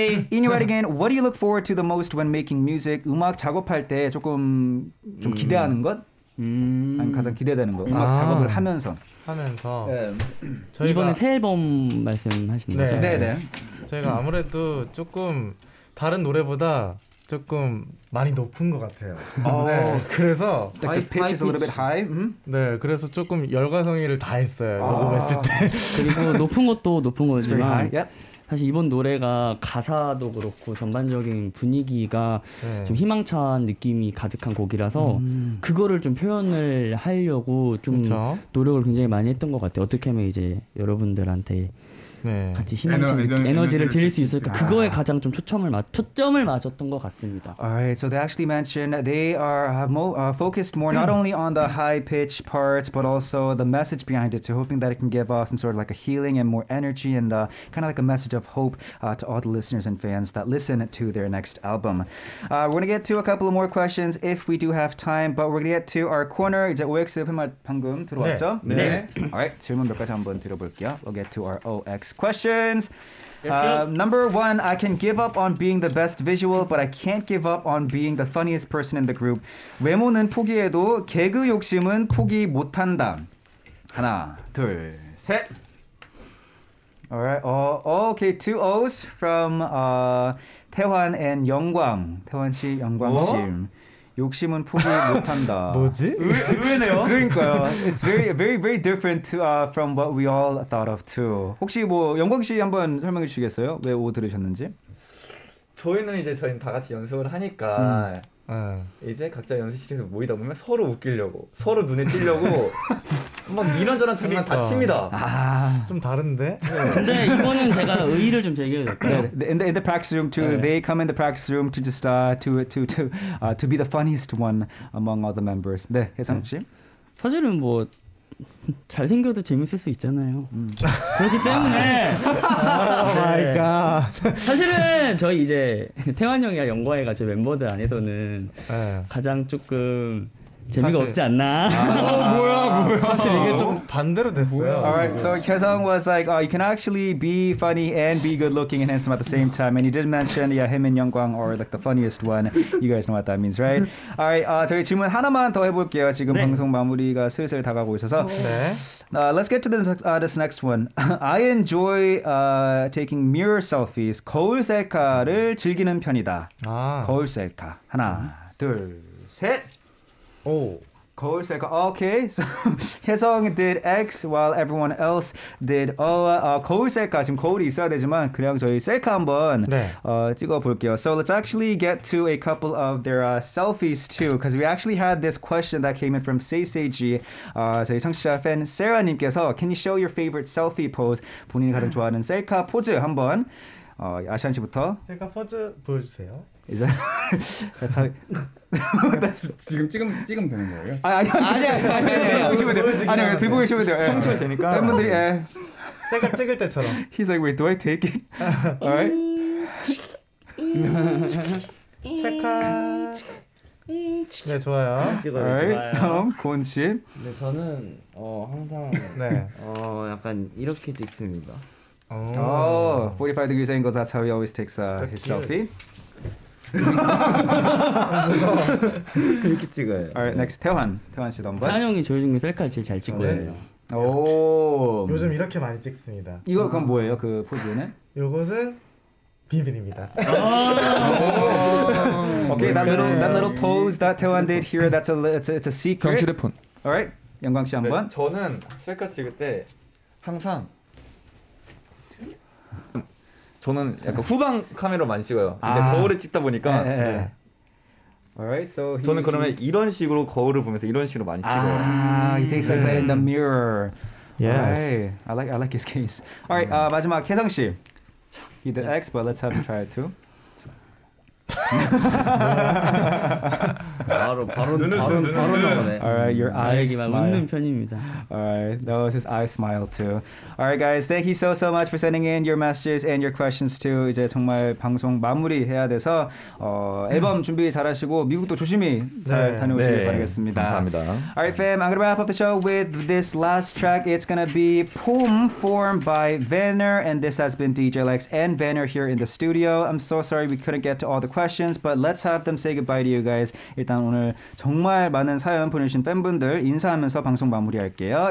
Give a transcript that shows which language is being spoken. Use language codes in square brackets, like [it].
[en] In your writing, what do you look forward to the most when making music? [ko] 음악 작업할 때 조금 좀 기대하는 것? 아니 가장 기대되는 것? 음악 작업을 하면서. 하면서. 네. 저희가 이번에 새 앨범 말씀하시는 거죠? 네, 네. 저희가 아무래도 조금 다른 노래보다 조금 많이 높은 것 같아요. 네. 그래서 [en] like the pitch is a little bit high. [ko] 네, 그래서 조금 열과성의를 다 했어요. 녹음했을 때. 그리고 높은 것도 높은 거지만. 사실 이번 노래가 가사도 그렇고 전반적인 분위기가 네. 좀 희망찬 느낌이 가득한 곡이라서 그거를 좀 표현을 하려고 좀 그쵸? 노력을 굉장히 많이 했던 것 같아요. 어떻게 하면 이제 여러분들한테 네. 같이 희망적인 에너지를 드릴 수 있을까 아. 그거에 가장 좀 초점을 맞췄던 것 같습니다. [en] Alright, so they actually mentioned they are focused more not only on the high pitch parts but also the message behind it, so hoping that it can give some sort of like a healing and more energy and kind of like a message of hope to all the listeners and fans that listen to their next album. We're gonna get to a couple of more questions if we do have time, but we're gonna get to our corner. [ko] 이제 OX 팬말 방금 들어왔죠? 네. 네. [en] Alright, [ko] 질문 몇 가지 한번 들어볼게요. [en] We'll get to our OX questions. Number one, I can give up on being the best visual, but I can't give up on being the funniest person in the group. [ko] 외모는 포기해도 개그 욕심은 포기 못한다. 하나, 둘, 셋. [en] All right. Okay. Two O's from 태환 and 영광. [ko] 태환 씨, 영광 씨. 욕심은 포기 못한다. 뭐지? 의외네요. 그러니까요. [en] It's very, very, very different to, from what we all thought of too. [ko] 혹시 뭐 영광 씨 한번 설명해 주시겠어요? 왜 O 들으셨는지? 저희는 이제 저희 다 같이 연습을 하니까. 이제 각자 연습실에서 모이다 보면 서로 웃기려고 서로 눈에 띄려고 막 이런저런 장난 그러니까. 다 칩니다. 아, 좀 다른데? 근데 이거는 제가 의의를 좀 제기해야 될까요? [en] In the practice room too, [ko] 네. [en] they come in the practice room to just to be the funniest one among all the members. [ko] 네, 혜성 씨? 사실은 뭐 잘생겨도 재밌을 수 있잖아요. 그렇기 때문에 마이 갓. 사실은 저희 이제 태환 형이랑 영광이가 저희 멤버들 안에서는 네. 가장 조금 재미가 사실. 없지 않나. 뭐야. 사실 이게 좀 반대로 됐어요. [en] Alright, so Hyesung was like, you can actually be funny and be good looking and handsome at the same time. And you did mention, yeah, him and Youngkwang are like the funniest one. You guys know what that means, right? Alright, [ko] 저희 질문 하나만 더 해볼게요. 지금 네. 방송 마무리가 슬슬 다가오고 있어서. 네. [en] Let's get to this next one. I enjoy taking mirror selfies. [ko] 거울 셀카를 즐기는 편이다. 아. 거울 셀카. 하나, 둘, 셋. 오, 거울 셀카. [en] Okay, so 혜성 did X while everyone else did O. 거울 셀카. [ko] 지금 거울이 있어야 되지만 그냥 저희 셀카 한번 네. 찍어볼게요. [en] So let's actually get to a couple of their selfies too, because we actually had this question that came in from Seiseiji. [ko] 저희 청취자 팬 세라님께서 [en] Can you show your favorite selfie pose? [ko] 본인이 가장 좋아하는 셀카 포즈 한번 아시안 씨부터 셀카 포즈 보여주세요. 이제 지금 되는 거예요? 아니 들고 계시면 돼요. 송출 되니까 팬분들이 셀카 찍을 때처럼. [en] He's like, wait, do I take it? Alright. 셀카. [ko] 네 좋아요. 찍어요. 다음 고은 씨. 네 저는 항상 네 약간 이렇게 찍습니다. [en] 오, 45 degrees angle. That's how he always takes his selfie. [ko] 이렇게 찍어요. [en] Alright, next [ko] 태환. 태환 씨도 한번. 태환 형이 저희 중에 셀카 제일 잘 찍거든요. 네. 오. 요즘 이렇게 많이 찍습니다. 이거 그럼 뭐예요? 그 포즈는? 요것은 비빈입니다. [en] 오케이, that little pose that 태환 did here. That's a it's a secret. [ko] 형 휴대폰. Alright, 영광 씨 한번. 네, 저는 셀카 찍을 때 항상. 저는 약간 후방 카메라 많이 찍어요. 이제 거울을 찍다 보니까. [en] 네. Alright, so [ko] 저는 그러면 이런 식으로 거울을 보면서 이런 식으로 많이 찍어요. [en] He takes like that in the mirror. Yes. Alright, I like his case. Alright, [ko] 마지막 혜성 씨. [en] He did X, but let's have him try it too. [ko] 바로 눈웃음 [en] Alright, your eyes smile. [ko] 웃는 편입니다. [en] Alright, that was his eye smile too. Alright, guys, thank you so much for sending in your messages and your questions too. [ko] 이제 정말 방송 마무리해야 돼서 앨범 준비 잘하시고 미국도 조심히 잘 다녀오시길 바라겠습니다. 감사합니다. [en] Alright, fam, I'm gonna wrap up the show with this last track. It's gonna be Poem Form by Vanner, and this has been DJ Lex and Vanner here in the studio. I'm so sorry we couldn't get to all the questions, but let's have them say goodbye to you guys. [ko] 일단 오늘 정말 많은 사연 보내주신 팬분들 인사하면서 방송 마무리할게요.